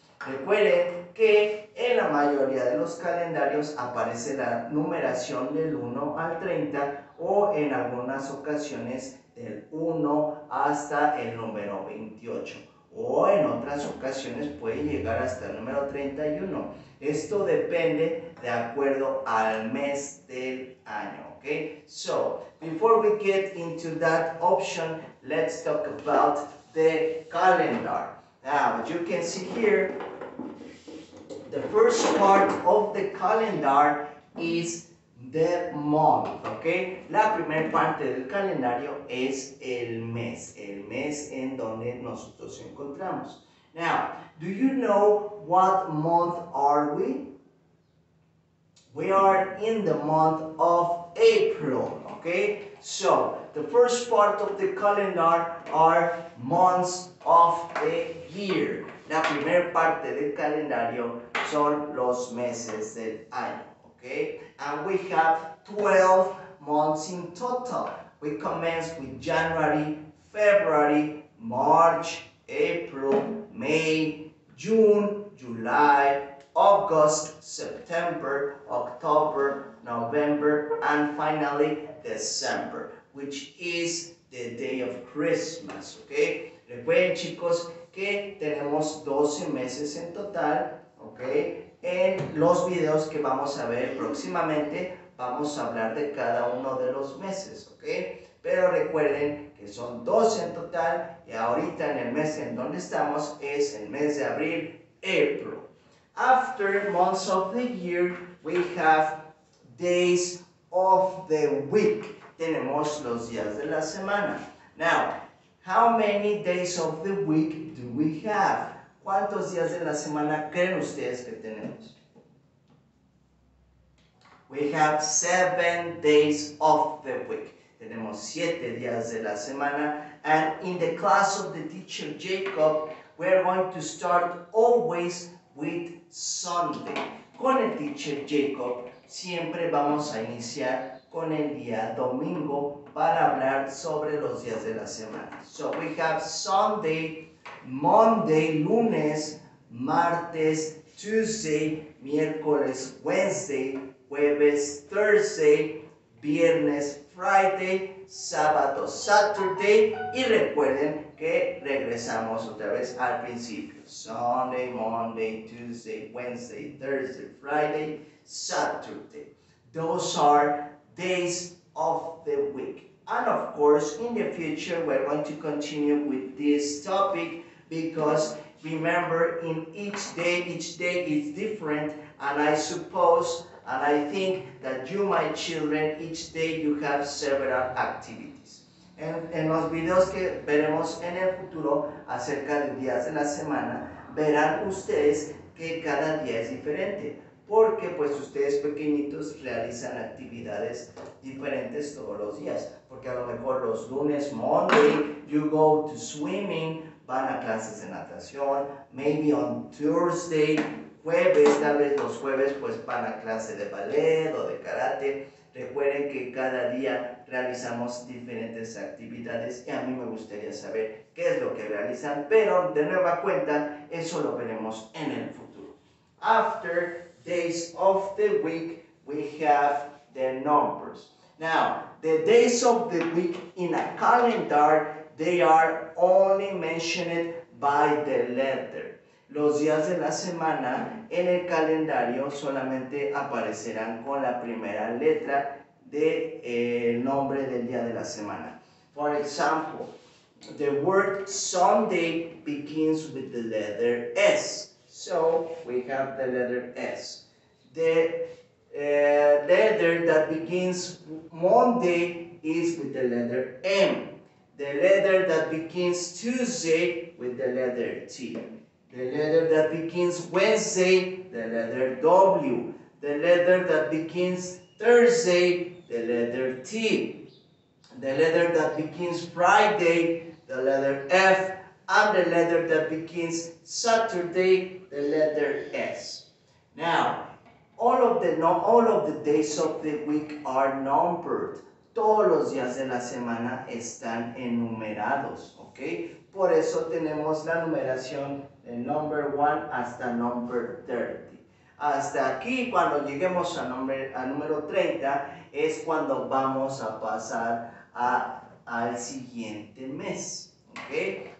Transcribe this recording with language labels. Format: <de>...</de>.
<es>Recuerden que en la mayoría de los calendarios aparece la numeración del 1 al 30 o en algunas ocasiones del 1 hasta el número 28. O en otras ocasiones puede llegar hasta el número 31. Esto depende de acuerdo al mes del año, ¿ok?</es> <en>So, before we get into that option, let's talk about the calendar. Now, as you can see here, the first part of the calendar is the month, ¿ok? La primera parte del calendario es el mes en donde nosotros encontramos. Now, do you know what month are we? We are in the month of April, ¿ok? So, the first part of the calendar are months of the year. La primera parte del calendario son los meses del año. Okay, and we have 12 months in total. We commence with January, February, March, April, May, June, July, August, September, October, November, and finally December, which is the day of Christmas.</en> <es>Okay, recuerden chicos que tenemos 12 meses en total. Okay. En los videos que vamos a ver próximamente, vamos a hablar de cada uno de los meses, ¿ok? Pero recuerden que son 12 en total y ahorita en el mes en donde estamos es el mes de abril, April.</es> <en>After months of the year, we have days of the week.</en> <es>Tenemos los días de la semana.</es> <en>Now, how many days of the week do we have?</en> <es>¿Cuántos días de la semana creen ustedes que tenemos?</es> <en>We have 7 days of the week.</en> <es>Tenemos 7 días de la semana.</es> <en>And in the class of the teacher Jacob, we are going to start always with Sunday.</en> <es>Con el teacher Jacob, siempre vamos a iniciar con el día domingo para hablar sobre los días de la semana.</es> <en>So we have Sunday, Monday,</en> <es>lunes, martes, Tuesday, miércoles, Wednesday, jueves, Thursday, viernes, Friday, sábado, Saturday, y recuerden que regresamos otra vez al principio.</es> <en>Sunday, Monday, Tuesday, Wednesday, Thursday, Friday, Saturday. Those are days of the week. And of course, in the future, we're going to continue with this topic. Because remember, in each day is different, and I suppose, and I think that you, my children, each day you have several activities.</en> <es>En los videos que veremos en el futuro acerca de días de la semana, verán ustedes que cada día es diferente, porque pues ustedes pequeñitos realizan actividades diferentes todos los días, porque a lo mejor los lunes,</es> <en>Monday, you go to swimming,</en> <es>van a clases de natación,</es> <en>maybe on Thursday,</en> <es>jueves, tal vez los jueves pues van a clase de ballet o de karate. Recuerden que cada día realizamos diferentes actividades y a mí me gustaría saber qué es lo que realizan, pero de nueva cuenta eso lo veremos en el futuro.</es> <en>After days of the week, we have the numbers. Now, The days of the week in a calendar, they are only mentioned by the letter. Los días de la semana en el calendario solamente aparecerán con la primera letra de el nombre del día de la semana. For example, the word Sunday begins with the letter S. So we have the letter S. The letter that begins Monday is with the letter M. The letter that begins Tuesday with the letter T. The letter that begins Wednesday, the letter W. The letter that begins Thursday, the letter T. The letter that begins Friday, the letter F. And the letter that begins Saturday, the letter S. Now, all of the days of the week are numbered.</en> <es>Todos los días de la semana están enumerados, ¿ok? Por eso tenemos la numeración de number 1 hasta number 30. Hasta aquí, cuando lleguemos a número 30, es cuando vamos a pasar al siguiente mes, ¿ok?</es>